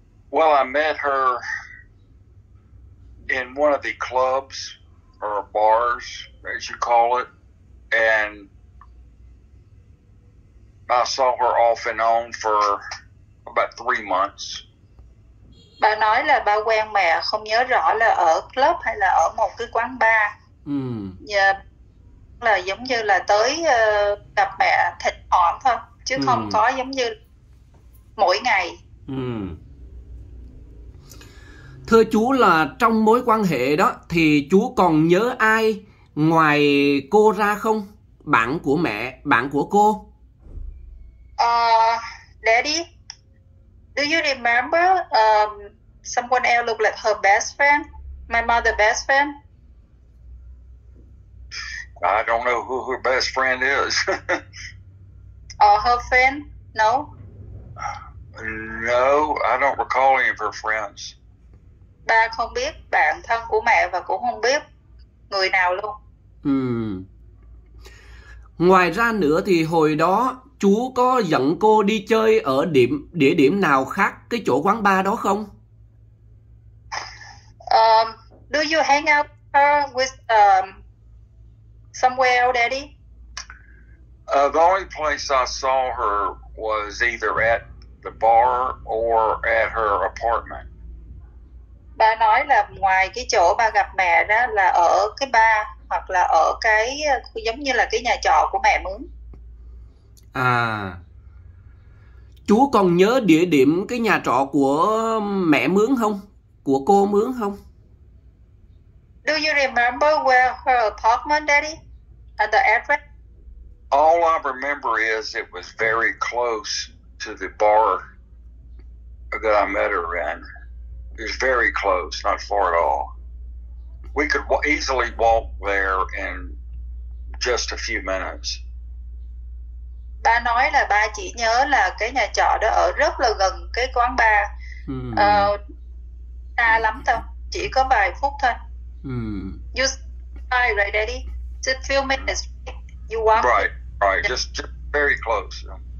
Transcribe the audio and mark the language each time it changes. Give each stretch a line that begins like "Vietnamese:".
English: Well, I met her in one of the clubs or bars, as you call it, and I saw her off and on for about 3 months.
Vietnamese: Bà nói là bà quen mẹ, không nhớ rõ là ở club hay là ở một cái quán bar. Yeah, là giống như là tới gặp mẹ thỉnh thoảng thôi, chứ không có giống như mỗi ngày. Thưa chú, là trong mối quan hệ đó thì chú còn nhớ ai ngoài cô ra không? Bạn của mẹ, bạn của cô?
English: Daddy, do you remember someone else look like her best friend? My mother's best friend? I don't know who her best friend is. Or her friend? No? No, I don't recall any of her friends.
Vietnamese: Ba không biết bạn thân của mẹ và cũng không biết người nào luôn. Ngoài ra nữa thì hồi đó chú có dẫn cô đi chơi ở điểm địa điểm nào khác cái chỗ quán bar đó không?
English: Do you hang out with somewhere else, Daddy? The only place I saw her was either at the bar or at her apartment.
Vietnamese: Ba nói là ngoài cái chỗ ba gặp mẹ đó là ở cái bar hoặc là ở cái giống như là cái nhà trọ của mẹ mướn. À, chú còn nhớ địa điểm cái nhà trọ của mẹ mướn không? Của cô mướn không?
English: Do you remember where her apartment, Daddy? At the address? All I remember is it was very close to the bar that I met her in. It was very close, not far at all. We could easily walk there in just a few minutes.
Vietnamese: Ba nói là ba chỉ nhớ là cái nhà trọ đó ở rất là gần cái quán bar. Xa lắm thôi, chỉ có vài phút thôi.
English: You stay right, Daddy? Just a few minutes. You walk. Right, right. Just very close.